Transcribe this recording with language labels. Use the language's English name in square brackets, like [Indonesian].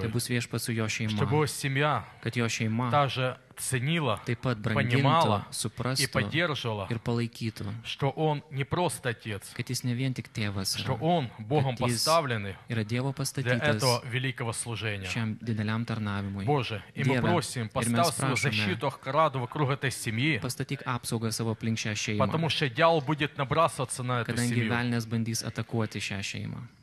[Lithuanian] ты бус viešpats su jo šeima, [Russian] чтобы семья, [Lithuanian] kad jo šeima, [Russian] также ценила, [Lithuanian] taip pat brangintų, [Russian] понимала, [Lithuanian] suprastų, [Russian] и поддерживала, [Lithuanian] ir palaikytų, [Russian] что он не просто отец, [Lithuanian] kad jis ne vien tik tėvas, [Russian] что он Богом поставленный, [Lithuanian] yra Dievo pastatytas, [Russian] для этого великого служения, [Lithuanian] šiam dideliam tarnavimui. [Russian] Боже, и [Lithuanian] Dieve, [Russian] мы просим, поставь свою защиту, охраду вокруг этой семьи, [Lithuanian] pastatyk apsaugą savo aplink šią šeimą, [Russian] потому что дьявол будет набрасываться на эту [Lithuanian] kadangi [Russian] семью, [Lithuanian] velnės bandys atakuoti šią šeimą.